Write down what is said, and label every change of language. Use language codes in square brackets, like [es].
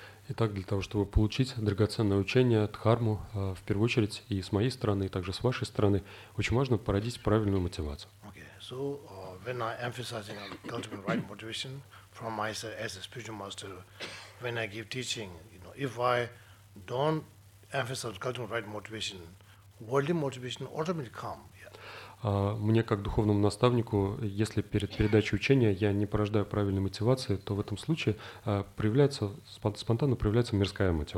[ru] Итак, для того, чтобы получить драгоценное учение, дхарму, в первую очередь, и с моей стороны, и также с вашей стороны, очень важно породить правильную мотивацию. [en] Okay, so when I emphasize cultivating right motivation from myself as a spiritual master, when I give teaching, you know, if I don't emphasize cultivating right motivation, worldly motivation automatically come. [ru] Мне, как духовному наставнику, если перед передачей учения я не порождаю правильной мотивации, то в этом случае проявляется, спонтанно проявляется мирская